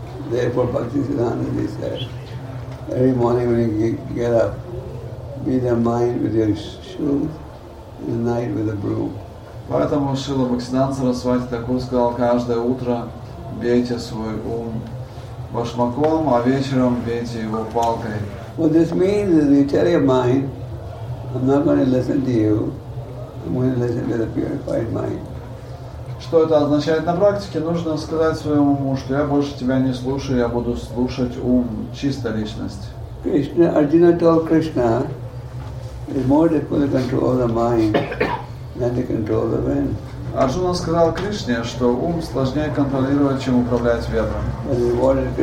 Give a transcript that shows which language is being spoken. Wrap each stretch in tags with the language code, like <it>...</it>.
<en>Therefore, Bhaktisiddhanta says, every morning when you get up, beat the mind with your shoes, and the night with a broom.</en> <ru>Поэтому Шрила Бхактисиддханта Сарасвати Такур сказал, каждое утро бейте свой ум башмаком, а вечером бейте его палкой.</ru> <en>What this means is, you tell your mind, I'm not going to listen to you, I'm going to listen to the purified mind.</en> <ru>Что это означает на практике? Нужно сказать своему уму, что я больше тебя не слушаю, я буду слушать ум, чистая личность.</ru> <en>Krishna, Arjuna told Krishna, it's more difficult to control the mind than to control the wind.</en> <ru>Арджуна сказал Кришне, что ум сложнее контролировать, чем управлять ветром.</ru>